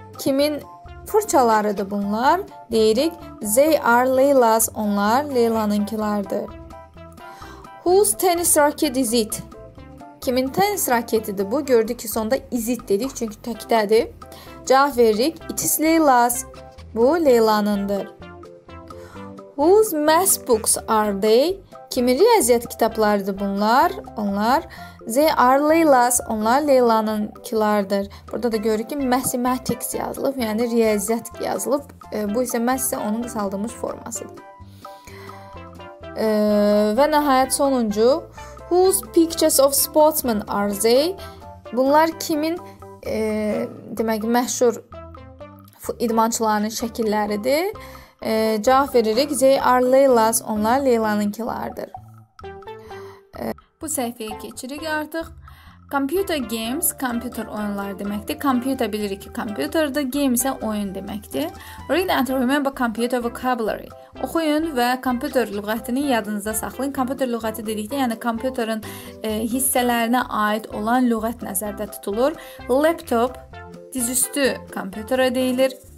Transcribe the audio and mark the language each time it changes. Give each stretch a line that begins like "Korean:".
Azerbaijani: Kimin fırçalarıdır bunlar? Deyirik,
English: they are Leyla's,
Azerbaijani: onlar Leylanınkilardır.
English: Whose tennis racket is it?
Azerbaijani: Kimin tennis raketidir bu? Gördük ki, sonda is it dedik, çünki təkdədir. Cavab veririk,
English: it is Leyla's,
Azerbaijani: bu Leylanındır.
English: Whose math books are they?
Azerbaijani: Kimin riyaziyyat kitablarıdır bunlar? Onlar
English: they are Leyla's.
Azerbaijani: Onlar Leylanınkilardır. Burada da görürük ki, mathematics yazılıb, yəni riyaziyyat yazılıb. Bu isə math isə onun qısaldılmış formasıdır. Və nəhayət sonuncu,
English: whose pictures of sportsmen are they?
Azerbaijani: Bunlar kimin demək məşhur idmançılarının şəkilləridir? Cavab veririk,
English: they are Leyla's,
Azerbaijani: onlar Leylanınkilardır. Bu səhifəyə keçirik artıq. Computer games, kompüter oyunları deməkdir. Computer bilirik ki, kompüterdir, game isə oyun deməkdir.
English: Read and remember computer vocabulary.
Azerbaijani: Oxuyun və kompüter lüğətini yadınızda saxlayın. Kompüter lüğəti dedikdə, yəni kompüterin hissələrinə aid olan lüğət nəzərdə tutulur. Laptop, dizüstü kompüterə deyilir.